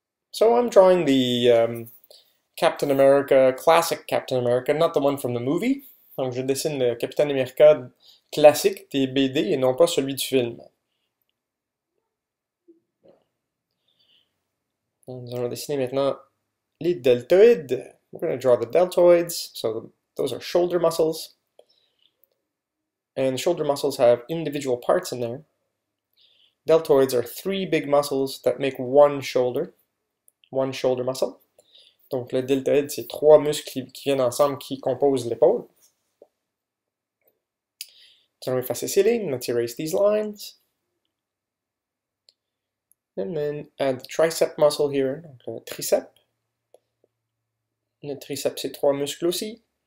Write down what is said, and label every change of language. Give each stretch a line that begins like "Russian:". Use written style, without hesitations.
English: So I'm drawing the Captain America, classic Captain America, not the one from the movie.
French: Donc je dessine le Capitaine America classique des BD et non pas celui du film. Nous allons dessiner maintenant les deltoïdes.
English: We're going to draw the deltoids, so those are shoulder muscles. And the shoulder muscles have individual parts in there. Deltoids are 3 big muscles that make one shoulder muscle.
French: Donc le deltoïde, c'est 3 muscles qui viennent ensemble, qui composent l'épaule. Nous allons effacer ces lignes,
English: let's erase these lines. And then add the tricep muscle here,
French: donc le tricep. Le triceps, c'est 3 muscles aussi.